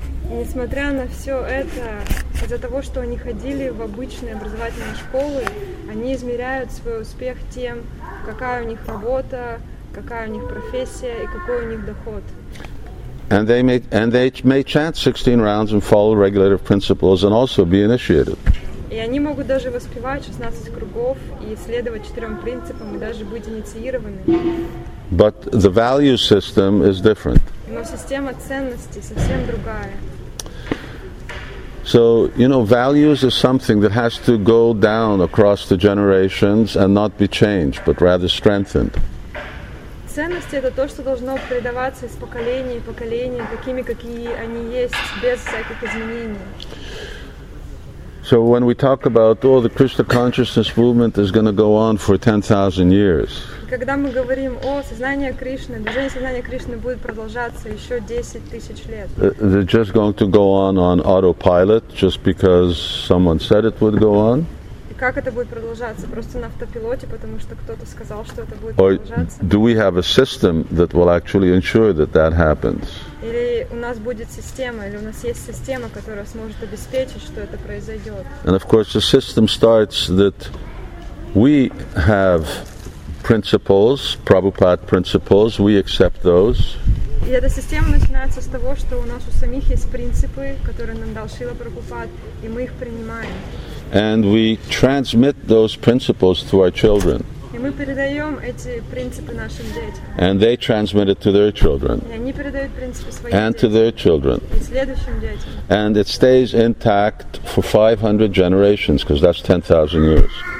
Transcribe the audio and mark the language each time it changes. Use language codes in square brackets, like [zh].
[ru] Несмотря на все это, из-за того, что они ходили в обычные образовательные школы, они измеряют свой успех тем, какая у них работа, какая у них профессия и какой у них доход. [en] And they may chant 16 rounds and follow regulative principles and also be initiated. [ru] И они могут даже воспевать 16 кругов и следовать четырем принципам и даже быть инициированы. [en] But the value system is different. [ru] Но система ценностей совсем другая. [en] So, you know, values is something that has to go down across the generations and not be changed, but rather strengthened. [ru] Ценности — это то, что должно передаваться из поколения в поколение, такими, какие они есть, без всяких изменений. [en] So when we talk about, oh, the Krishna consciousness movement is going to go on for 10,000 years. [ru] Когда мы говорим о сознании Кришны, движение сознания Кришны будет продолжаться еще 10,000 лет. [en] They're just going to go on autopilot just because someone said it would go on? [ru] И как это будет продолжаться? Просто на автопилоте, потому что кто-то сказал, что это будет продолжаться? [en] Or do we have a system that will actually ensure that that happens? [ru] Или у нас будет система, или у нас есть система, которая сможет обеспечить, что это произойдет? [en] And of course, the system starts that we have principles, Prabhupada principles, we accept those. [ru] И эта система начинается с того, что у нас у самих есть принципы, которые нам дал Шрила Прабхупад, и мы их принимаем. [en] And we transmit those principles to our children. [ru] И мы передаем эти принципы нашим детям. [en] And they transmit it to their children. [ru] И они передают принципы своим детям. [en] And to their children. [ru] И следующим детям. [en] And it stays intact for 500 generations, because that's 10,000 years.